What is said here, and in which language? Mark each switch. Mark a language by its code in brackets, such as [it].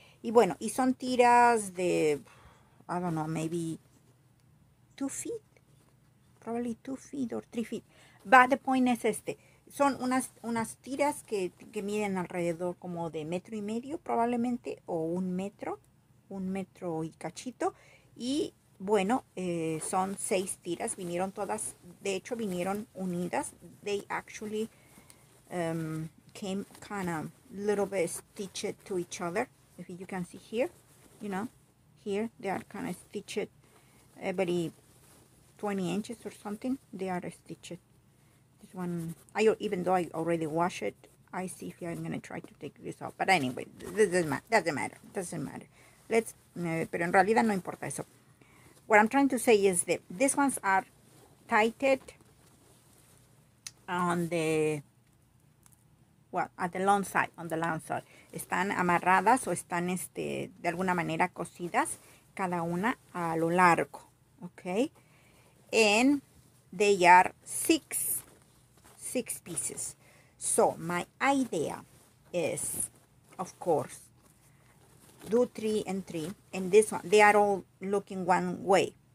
[es] Y bueno, y son tiras de, [en] I don't know, maybe 2 feet. Probably 2 feet or 3 feet. But the point [es] es este. Son unas tiras que miden alrededor como de metro y medio, probablemente, o un metro y cachito. Y bueno, son 6 tiras. Vinieron todas, de hecho, vinieron unidas. [en] They actually came kind of little bit stitched to each other. If you can see here, you know, here they are kind of stitched every 20 inches or something. They are stitched. This one, I even though I already washed it, I see if I'm going to try to take this off. But anyway, this doesn't matter. Let's, [es] pero en realidad no importa eso. [en] What I'm trying to say is that these ones are tighted on the, well, at the long side, on the long side. [es] Están amarradas o están, de alguna manera cosidas, cada una a lo largo, okay? [en] And they are six pieces. So my idea is, of course, do 3 and 3, and this one, they are all looking one way.